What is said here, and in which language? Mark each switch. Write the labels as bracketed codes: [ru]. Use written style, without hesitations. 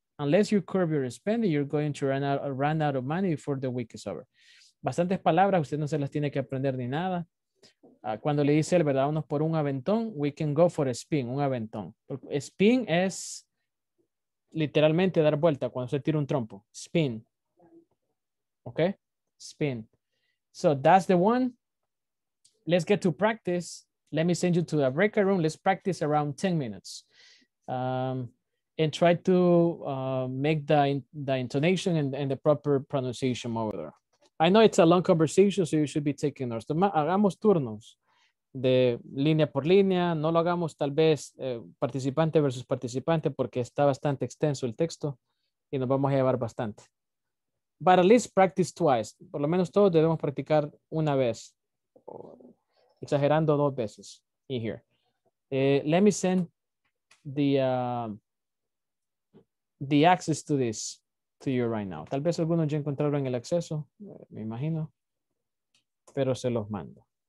[en] Unless you curb your spending, you're going to run out of money before the week is over. [es] Bastantes palabras, usted no se las tiene que aprender ni nada. Cuando le dice el verdad, vamos por un aventón, [en] we can go for a spin, [es] un aventón. Spin es literalmente dar vuelta cuando se tira un trompo. [en] Spin. Okay? Spin. So that's the one. Let's get to practice. Let me send you to a breakout room. Let's practice around 10 minutes. And try to make the intonation and the proper pronunciation over there. I know it's a long conversation, so you should be taking notes. [es] Hagamos turnos de línea por línea. No lo hagamos tal vez participante versus participante porque está bastante extenso el texto y nos vamos a llevar bastante. [en] But at least practice twice. [es] Por lo menos todos debemos practicar una vez. Exagerando dos veces [en] in here. Let me send the access to this to you right now. [es] Tal vez algunos ya encontraron el acceso, me imagino, pero se los mando.